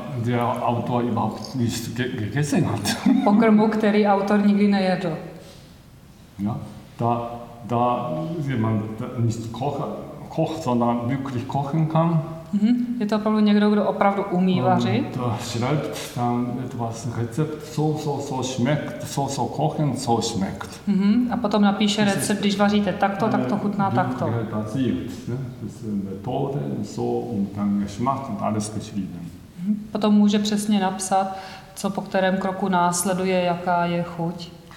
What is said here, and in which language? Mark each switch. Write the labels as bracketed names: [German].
[German] Der Autor überhaupt nicht gegessen hat. [Czech] Pokrmu, který autor nikdy nejedl. [German] Ja, da jemand nicht kocht, sondern wirklich kochen kann. Mm-hmm. [Czech] Je to opravdu někdo, kdo opravdu umí vařit. [German] Da schreibt dann etwas Rezept, so schmeckt, so kochen, so schmeckt. Mm-hmm. [Czech] A potom napíše recept, když vaříte takto, tak to chutná takto. [German] Das ist Methode, so und dann Geschmack und alles geschrieben. [Czech] Potom může přesně napsat, co po kterém kroku následuje, jaká je chuť.